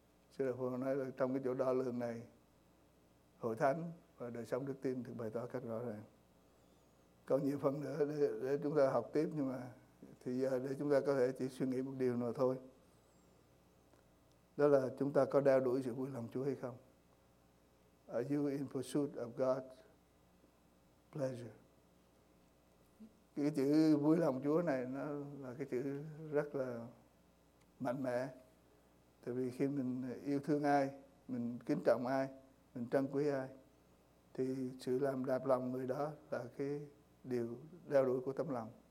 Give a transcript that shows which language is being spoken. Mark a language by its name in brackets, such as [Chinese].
[Vietnamese] Sư Đạo Phương nói là trong cái chỗ đo lường này, hội thánh và đời sống đức tin được bày tỏ cách rõ ràng. Còn nhiều phần nữa để chúng ta học tiếp, nhưng mà thì giờ để chúng ta có thể chỉ suy nghĩ một điều nào thôi. Đó là chúng ta có đeo đuổi sự vui lòng Chúa hay không? [English] Are you in pursuit of God's pleasure? [Vietnamese] Cái chữ vui lòng Chúa này nó là cái chữ rất là mạnh mẽ. Tại vì khi mình yêu thương ai, mình kính trọng ai, mình trân quý ai, thì sự làm đẹp lòng người đó là cái điều đeo đuổi của tấm lòng.